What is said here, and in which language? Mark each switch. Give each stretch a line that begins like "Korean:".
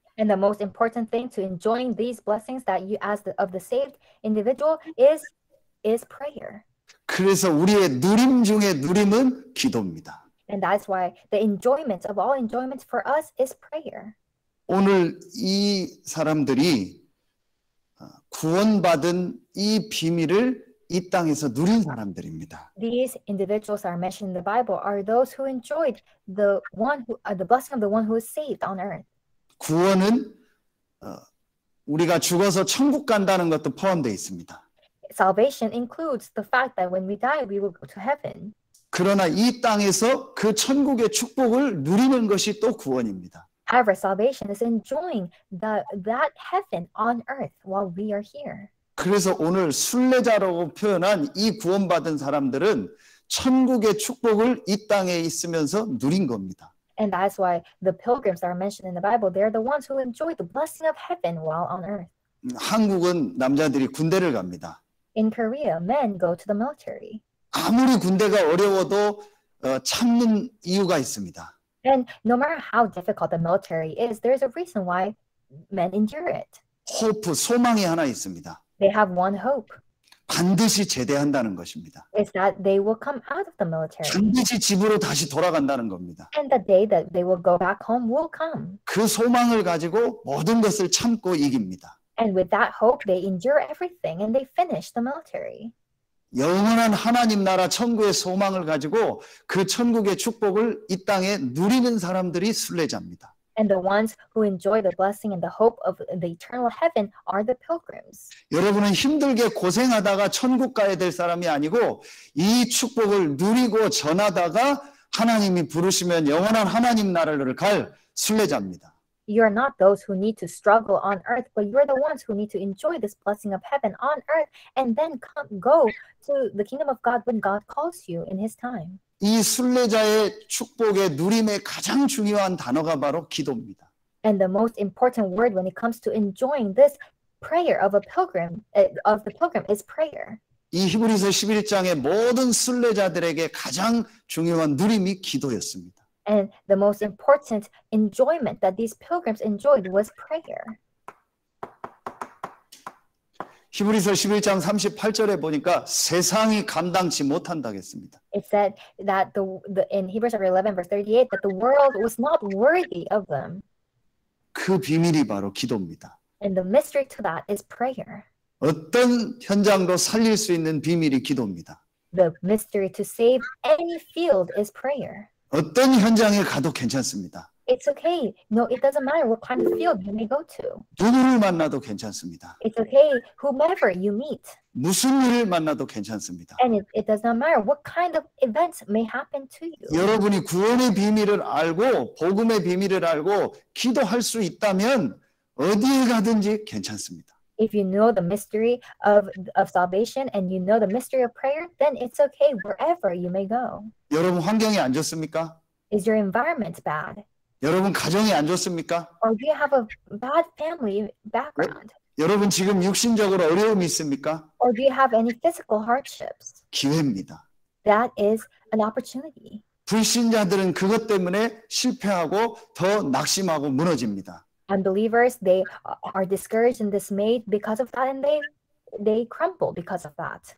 English: And the most important thing to enjoying these blessings that you as of the saved individual is prayer.
Korean: 그래서 우리의 누림 중에 누림은 기도입니다.
English: And that's why the enjoyment of all enjoyments for us is prayer.
Korean: 오늘 이 사람들이 구원받은 이 비밀을 이 땅에서 누린 사람들입니다.
English: These individuals are mentioned in the Bible are those who enjoyed the blessing of the one who is saved on earth.
Korean: 구원은 우리가 죽어서 천국 간다는 것도 포함되어 있습니다.
English: Salvation includes the fact that when we die, we will go to heaven.
Korean: 그러나 이 땅에서 그 천국의 축복을 누리는 것이 또 구원입니다.
English: However, salvation is enjoying that heaven on earth while we are here.
Korean: 그래서 오늘 순례자라고 표현한 이 구원받은 사람들은 천국의 축복을 이 땅에 있으면서 누린 겁니다.
English: And that's why the pilgrims are mentioned in the Bible. They're the ones who enjoy the blessing of heaven while on earth.
Korean: 한국은 남자들이 군대를 갑니다.
English: In Korea, men go to the military.
Korean: 아무리 군대가 어려워도 참는 이유가 있습니다.
English: And no matter how difficult the military is, there's a reason why men endure it.
Korean: Hope, 소망이 하나 있습니다.
English: They have one hope.
Korean: 반드시 제대한다는 것입니다.
English: It's that they will come out of the military.
Korean: 반드시 집으로 다시 돌아간다는 겁니다.
English: And the day that they will go back home will come.
Korean: 그 소망을 가지고 모든 것을 참고 이깁니다.
English: And with that hope, they endure everything and they finish the military.
Korean: 영원한 하나님 나라 천국의 소망을 가지고 그 천국의 축복을 이 땅에 누리는 사람들이 순례자입니다.
English: And the ones who enjoy the blessing and the hope of the eternal heaven are the pilgrims.
Korean: 여러분은 힘들게 고생하다가 천국 가야 될 사람이 아니고 이 축복을 누리고 전하다가 하나님이 부르시면 영원한 하나님 나라를 갈 순례자입니다.
English: You are not those who need to struggle on earth, but you are the ones who need to enjoy this blessing of heaven on earth and then come go to the kingdom of God when God calls you in his time.
Korean: 이 순례자의 축복의 누림의 가장 중요한 단어가 바로 기도입니다.
English: And the most important word when it comes to enjoying this prayer of the pilgrim is prayer.
Korean: 이 히브리서 11장의 모든 순례자들에게 가장 중요한 누림이 기도였습니다.
English: And the most important enjoyment that these pilgrims enjoyed was prayer.
Korean: 히브리서 11장 38절에 보니까 세상이 감당치 못한다 했습니다.
English: It said that the in Hebrews 11 verse 38 that the world was not worthy of them.
Korean: 그 비밀이 바로 기도입니다.
English: And the mystery to that is prayer.
Korean: 어떤 현장도 살릴 수 있는 비밀이 기도입니다.
English: The mystery to save any field is prayer.
Korean: 어떤 현장에 가도 괜찮습니다.
English: It's okay. No, it doesn't matter what kind of field you may go to.
Korean: 누구를 만나도 괜찮습니다.
English: It's okay. Whomever you meet.
Korean: 무슨 일을 만나도 괜찮습니다.
English: And it does not matter what kind of events may happen to you.
Korean: 여러분이 구원의 비밀을 알고 복음의 비밀을 알고 기도할 수 있다면 어디에 가든지 괜찮습니다.
English: If you know the mystery of salvation and you know the mystery of prayer, then it's okay wherever you may go.
Korean: 여러분 환경이 안 좋습니까?
English: Is your environment bad?
Korean: 여러분 가정이 안 좋습니까?
English: Or do you have a bad family background?
Korean: 여러분 지금 육신적으로 어려움이 있습니까?
English: Or do you have any physical hardships?
Korean: 기회입니다.
English: That is an opportunity.
Korean: 불신자들은 그것 때문에 실패하고 더 낙심하고 무너집니다.
English: Unbelievers, they are discouraged and dismayed because of that, and they crumble because of that.